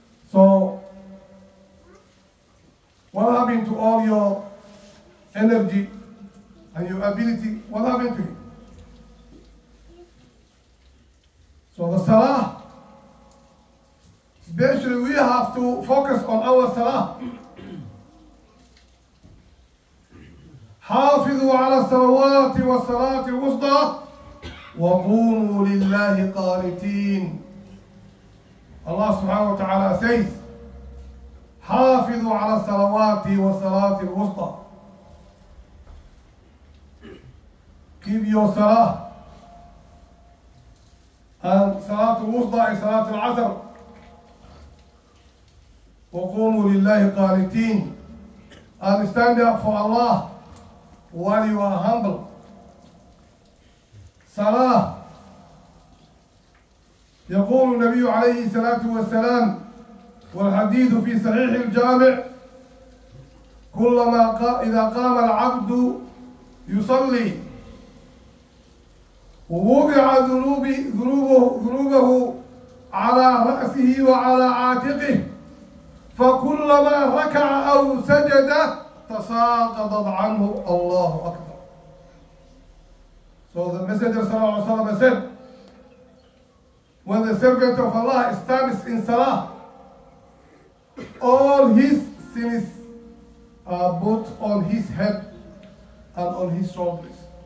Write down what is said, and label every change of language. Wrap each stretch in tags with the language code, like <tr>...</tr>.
<en>So, what happened to all your energy and your ability? What happened to you? So the salah, especially we have to focus on our salah.</en> <ar>حافظوا على الصلوات والصلاة الوسطى وقوموا لله قانتين.</ar> <en>Allah subhanahu wa ta'ala says,</en> <ar>حافظوا على الصلوات والصلاة الوسطى.</ar> <en>Keep your salah. And صلاة الوسطى is صلاة العصر.</en> <ar>وقوموا لله قانتين.</ar> <en>And stand up for Allah while you are humble. Salah.</en> <ar>يقول النبي عليه الصلاة والسلام والحديث في صحيح الجامع كلما إذا قام العبد يصلي ووضع ذنوبه على رأسه وعلى عاتقه فكلما ركع أو سجد تساقط عنه الله أكبر.</ar> <en>So the messenger صلى الله عليه وسلم said, when the servant of Allah stands in salah, all his sins are put on his head and on his shoulders.</en>